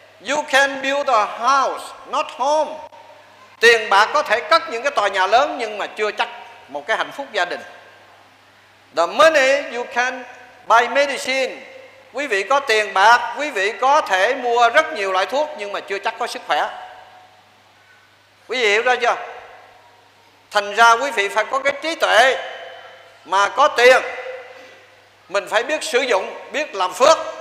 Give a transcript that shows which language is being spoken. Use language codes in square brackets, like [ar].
[en] You can build a house, not home. [vi] Tiền bạc có thể cất những cái tòa nhà lớn, nhưng mà chưa chắc một cái hạnh phúc gia đình. [en] The money you can buy medicine. [vi] Quý vị có tiền bạc, quý vị có thể mua rất nhiều loại thuốc, nhưng mà chưa chắc có sức khỏe. Quý vị hiểu ra chưa? Thành ra quý vị phải có cái trí tuệ. Mà có tiền mình phải biết sử dụng, biết làm phước.